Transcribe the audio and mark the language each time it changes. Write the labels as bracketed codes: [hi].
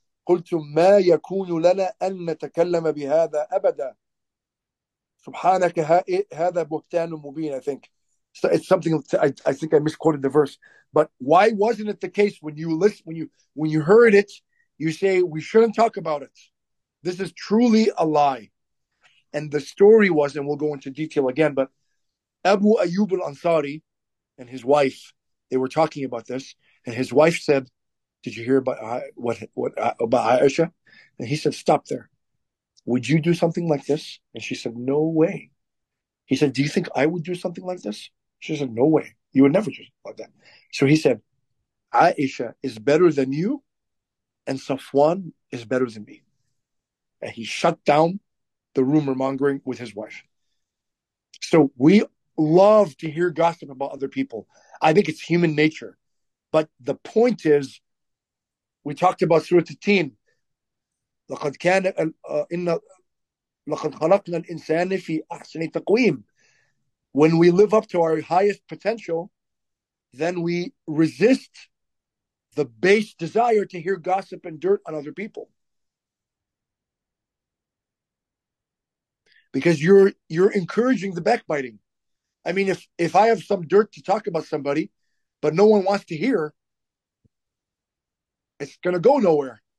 [ar] قلتم ما يكون لنا أن نتكلم بهذا أبدا سبحانك هذا بهتان مبين. [en] I think so it's something I think I misquoted the verse, but why wasn't it the case when you listen, when you heard it, you say we shouldn't talk about it, this is truly a lie. And the story was, and we'll go into detail again, but Abu Ayyub al-Ansari and his wife, they were talking about this, and his wife said, did you hear about about Aisha? And he said, stop there. Would you do something like this? And she said, no way. He said, do you think I would do something like this? She said, no way. You would never do something like that. So he said, Aisha is better than you, and Safwan is better than me. And he shut down the rumor mongering with his wife. So we love to hear gossip about other people. I think it's human nature. But the point is, we talked about Surah At-Tin. [ar] لقد كان إن لقد خلقنا الإنسان في أحسن تقويم. [en] When we live up to our highest potential, then we resist the base desire to hear gossip and dirt on other people. Because you're encouraging the backbiting. I mean, if I have some dirt to talk about somebody, but no one wants to hear, it's going to go nowhere.